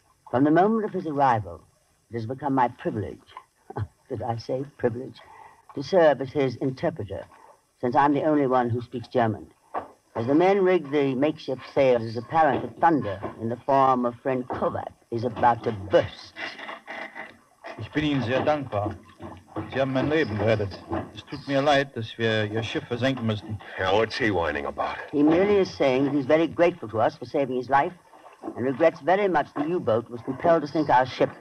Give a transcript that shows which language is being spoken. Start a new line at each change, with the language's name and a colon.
English: From the moment of his arrival, it has become my privilege, did I say privilege, to serve as his interpreter, since I'm the only one who speaks German. As the men rig the makeshift sails, it's apparent that thunder in the form of friend Kovac is about to burst.
German: Ich bin Ihnen sehr dankbar. Sie haben mein Leben gerettet. Es tut mir leid, dass wir Ihr Schiff versenken müssen.
English: Yeah, what's he whining about? He merely is saying that he's very grateful to us for saving his life and regrets very much the U-boat was compelled to sink our ship.